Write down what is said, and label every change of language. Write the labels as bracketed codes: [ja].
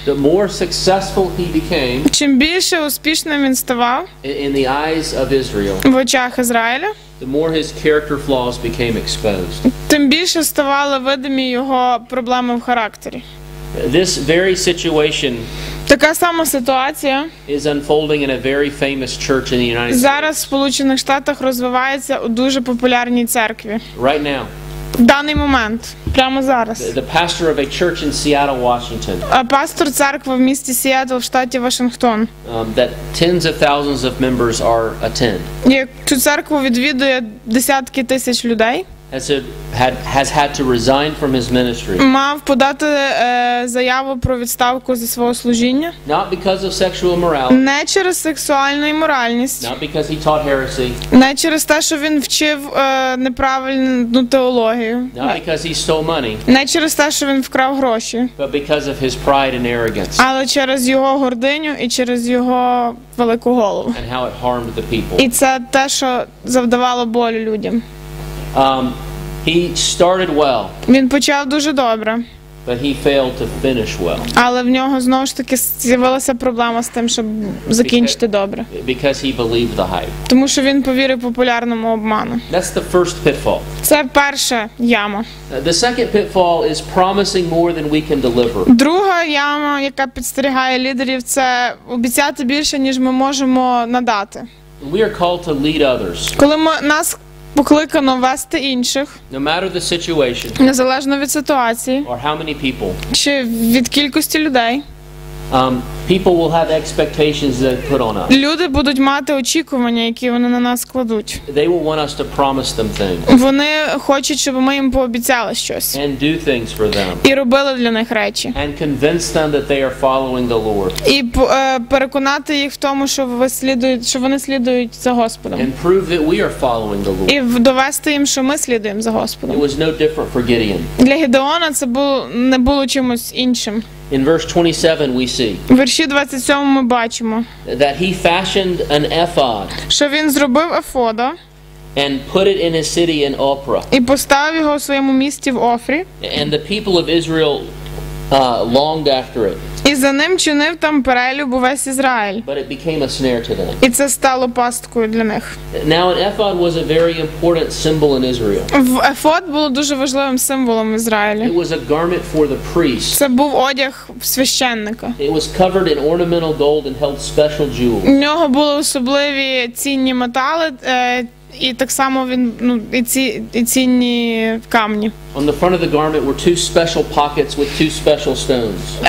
[en] The more successful he became. [uk] Чим більше успішним він ставав. [en] In the eyes of Israel. [uk] В очах Ізраїля. [en] The more his character flaws became exposed. [uk] Тим більше ставали видимі його проблеми в характері. [en] This very situation. [uk] Така сама ситуація. [en] Is unfolding in a very famous church in the United States. [uk] Зараз в Сполучених Штатах розвивається у дуже популярній церкві. [en] Right now. [uk] В даний момент, прямо зараз. [en] The pastor of a church in Seattle, Washington. [uk] Пастор церкви в місті Сіатл в штаті Вашингтон. [en] That tens of thousands of members are attend. [uk] Цю церкву відвідує десятки тисяч людей. [en] Has had to resign from his ministry. [uk] Мав подати заяву про відставку зі свого служіння. [en] Not because of sexual morality. [uk] Не через сексуальну моральність. [en] Not because he taught heresy. [uk] Не через те, що він вчив неправильну теологію. [en] Not because he stole money. [uk] Не через те, що він вкрав гроші. [en] But because of his pride and arrogance. [uk] Але через його гординю і через його велику голову. [en] And how it harmed the people. [uk] І це те, що завдавало болю людям. [en] He started well. [uk] Він почав дуже добре. [en] But he failed to finish well. [uk] Але в нього знову ж таки з'явилася проблема з тим, щоб закінчити добре. [en] Because he believed the hype. [uk] Тому що він повірив популярному обману. [en] That's the first pitfall. [uk] Це перша яма. [en] The second pitfall is promising more than we can deliver. [uk] Друга яма, яка підстерігає лідерів, це обіцяти більше, ніж ми можемо надати. [en] We are called to lead others. [uk] Коли нас покликано вести інших, [en] no matter the situation, [uk] незалежно від ситуації, [en] or how many people, [uk] чи від кількості людей, [en] people will have expectations that put on us. [uk] Люди будуть мати очікування, які вони на нас кладуть. [en] They will want us to promise them things. [uk] Вони хочуть, щоб ми їм пообіцяли щось. [en] And do things for them. [uk] І робили для них речі. [en] And convince them that they are following the Lord. [uk] І переконати їх в тому, що ви слідують, що вони слідують за Господом. [en] And prove that we are following the Lord. [uk] І довести їм, що ми слідуємо за Господом. [en] It was no different for Gideon. [uk] Для Гідеона це не було чимось іншим. [en] In verse 27 we see. [uk] В верші 27 ми бачимо. [en] That he fashioned an ephod. [uk] Що він зробив ефода. [en] And put it in his city in Ophrah. [uk] І поставив його у своєму місті в Офрі. [en] And the people of Israel longed after it. [uk] І за ним чинив там перелюб увесь Ізраїль. [en] But it became a snare to them. [uk] І це стало пасткою для них. [en] Now an ephod was a very important symbol in Israel. [uk] Ефод було дуже важливим символом в Ізраїлі. [en] It was a garment for the priest. [uk] Це був одяг священника. [en] It was covered in ornamental gold and held special jewels. [uk] В нього були особливі цінні метали, і так само він, і цінні камні. [en] On the front of the garment were two special pockets with two special stones.